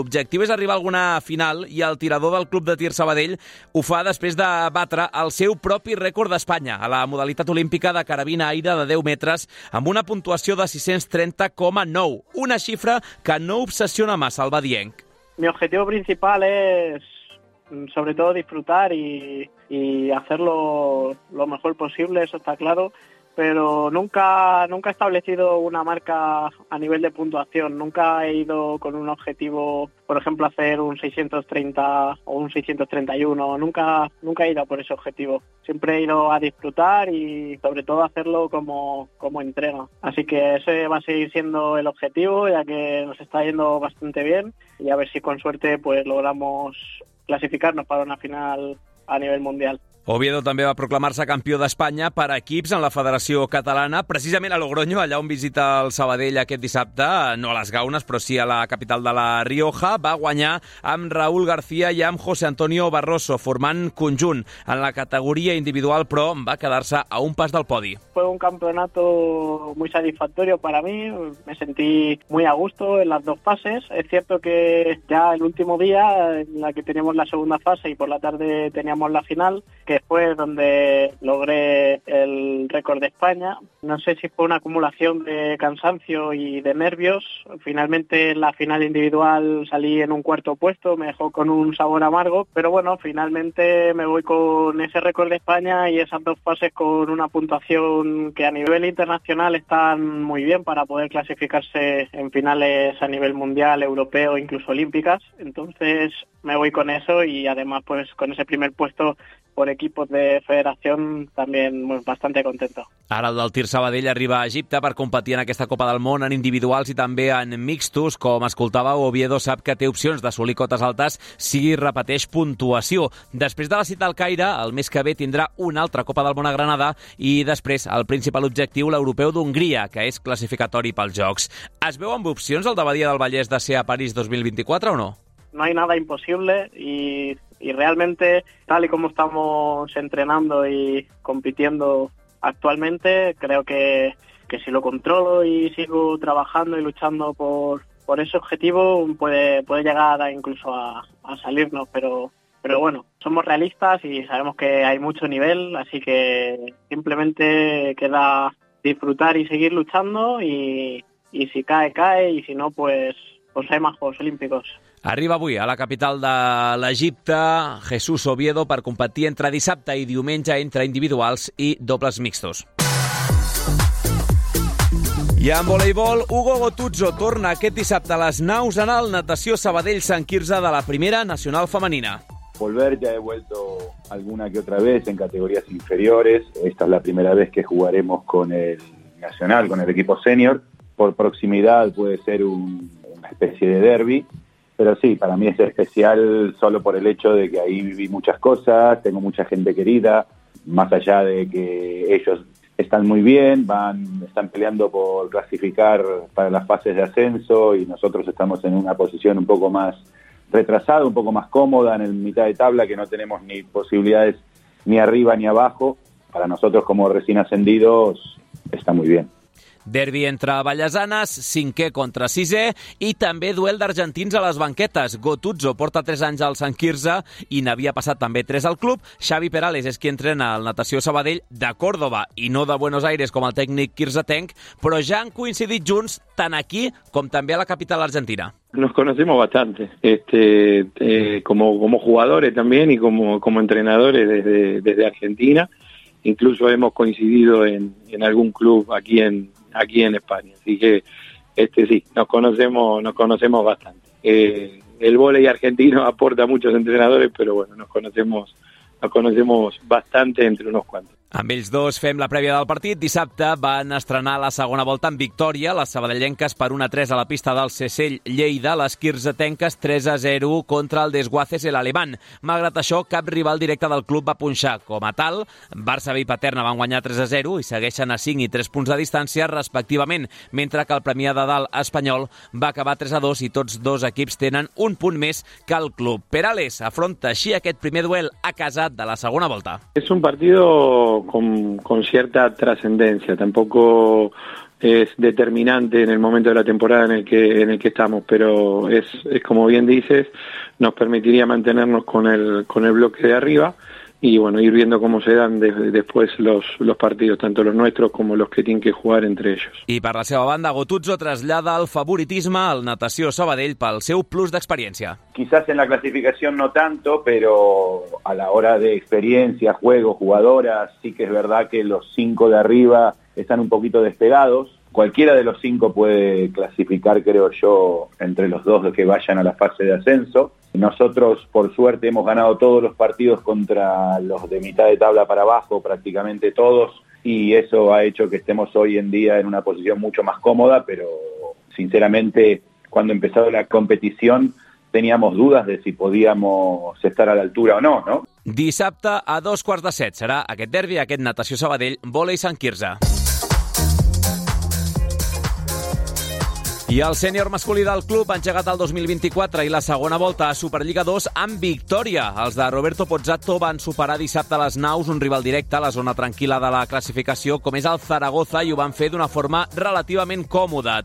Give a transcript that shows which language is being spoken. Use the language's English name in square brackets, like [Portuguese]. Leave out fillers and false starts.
[Catalan] L'objectiu és arribar a alguna final i el tirador del Club de Tir Sabadell ho fa després de batre el seu propi rècord d'Espanya a la modalitat olímpica de carabina aire de 10 metres amb una puntuació de 630,9, una xifra que no obsessiona massa el Badienc. [Spanish] Mi objetivo principal es, sobre todo, disfrutar y hacerlo lo mejor posible, eso está claro. Pero nunca he establecido una marca a nivel de puntuación. Nunca he ido con un objetivo, por ejemplo, hacer un 630 o un 631. Nunca he ido por ese objetivo. Siempre he ido a disfrutar y, sobre todo, hacerlo como entrega. Así que ese va a seguir siendo el objetivo, ya que nos está yendo bastante bien. Y a ver si con suerte pues logramos clasificarnos para una final a nivel mundial. [Catalan] Oviedo també va proclamar-se campió d'Espanya per equips en la Federació Catalana, precisament a Logroño, allà on visita el Sabadell aquest dissabte, no a les Gaunes, però sí a la capital de la Rioja. Va guanyar amb Raúl García i amb José Antonio Barroso, formant conjunt en la categoria individual, però va quedar-se a un pas del podi. [Spanish] Fue un campeonato muy satisfactorio para mí, me sentí muy a gusto en las dos fases. Es cierto que ya el último día, en la que teníamos la segunda fase y por la tarde teníamos la final, que fue donde logré el récord de España. No sé si fue una acumulación de cansancio y de nervios. Finalmente en la final individual salí en un cuarto puesto, me dejó con un sabor amargo, pero bueno, finalmente me voy con ese récord de España y esas dos fases con una puntuación que a nivel internacional están muy bien para poder clasificarse en finales a nivel mundial, europeo, incluso olímpicas. Entonces, me voy con eso, y además pues con ese primer puesto por equipos de federación también bastante contento. [Catalan] Ara el del Tir Sabadell arriba a Egipte per competir en aquesta Copa del Món en individuals i també en mixtos. Com escoltava, Oviedo sap que té opcions d'assolir cotes altes si repeteix puntuació. Després de la cita al Caire, el mes que ve tindrà una altra Copa del Món a Granada i després el principal objectiu, l'europeu d'Hongria, que és classificatori pels Jocs. Es veu amb opcions el de Badia del Vallès de ser a París 2024 o no? [Spanish] No hay nada imposible y realmente, tal y como estamos entrenando y compitiendo actualmente, creo que si lo controlo y sigo trabajando y luchando por ese objetivo, puede llegar incluso a salirnos. Pero bueno, somos realistas y sabemos que hay mucho nivel, así que simplemente queda disfrutar y seguir luchando y si cae, cae, y si no, pues hay más Juegos Olímpicos. [Catalan] Arriba avui a la capital de l'Egipte, Jesús Oviedo, per competir entre dissabte i diumenge entre individuals i dobles mixtos. I en voleibol, Hugo Gotuzzo torna aquest dissabte a les naus en el Natació Sabadell Sant Quirze de la Primera Nacional Femenina. [Spanish] Volver, ya he vuelto alguna que otra vez en categorías inferiores. Esta es la primera vez que jugaremos con el Nacional, con el equipo senior. Por proximidad puede ser una especie de derbi. Pero sí, para mí es especial solo por el hecho de que ahí viví muchas cosas, tengo mucha gente querida, más allá de que ellos están muy bien, están peleando por clasificar para las fases de ascenso y nosotros estamos en una posición un poco más retrasada, un poco más cómoda en el mitad de tabla, que no tenemos ni posibilidades ni arriba ni abajo. Para nosotros como recién ascendidos está muy bien. [Catalan] Derbi entre Vallesanes, cinquè contra sisè, i també duel d'argentins a les banquetes. Gotuzzo porta 3 anys al Sant Quirze i n'havia passat també 3 al club. Xavi Perales és qui entrena el Natació Sabadell de Córdoba i no de Buenos Aires com el tècnic quirzatenc, però ja han coincidit junts tant aquí com també a la capital argentina. [Spanish] Nos conocemos bastante, como jugadores también y como entrenadores desde Argentina. Incluso hemos coincidido en algún club aquí en España, así que sí, nos conocemos bastante. El vóley argentino aporta a muchos entrenadores, pero bueno, nos conocemos bastante entre unos cuantos. [Catalan] Amb ells dos fem la prèvia del partit. Dissabte van estrenar la segona volta amb victòria les sabadellenques per 1-3 a la pista del Cesell Lleida, les quirzatenques 3-0 contra el Desguaces el Alemán. Malgrat això, cap rival directe del club va punxar. Com a tal, Barça B i Paterna van guanyar 3-0 i segueixen a 5 i 3 punts de distància respectivament, mentre que el Premià de Dalt espanyol va acabar 3-2 i tots dos equips tenen un punt més que el club. Perales afronta així aquest primer duel a casa de la segona volta. [Spanish] És un partido con cierta trascendencia, tampoco es determinante en el momento de la temporada en el que estamos, pero es como bien dices, nos permitiría mantenernos con el bloque de arriba y bueno, ir viendo cómo se dan después los partidos, tanto los nuestros como los que tienen que jugar entre ellos. [Catalan] I per la seva banda, Gotuzzo trasllada el favoritisme al Natació Sabadell pel seu plus d'experiència. [Spanish] Quizás en la clasificación no tanto, pero a la hora de experiencia, juego, jugadoras, sí que es verdad que los 5 de arriba están un poquito despegados. Cualquiera de los 5 puede clasificar, creo yo, entre los 2 que vayan a la fase de ascenso. Nosotros, por suerte, hemos ganado todos los partidos contra los de mitad de tabla para abajo, prácticamente todos, y eso ha hecho que estemos hoy en día en una posición mucho más cómoda, pero sinceramente, cuando empezó la competición, teníamos dudas de si podíamos estar a la altura o no, ¿no? [Catalan] Dissabte a 6:45 serà aquest derbi, aquest Natació Sabadell, vòlei Sant Quirze. I el sènior masculí del club ha engegat el 2024 i la segona volta a Superliga 2 amb victòria. Els de Roberto Pozzato van superar dissabte les naus, un rival directe a la zona tranquil·la de la classificació, com és el Zaragoza, i ho van fer d'una forma relativament còmoda.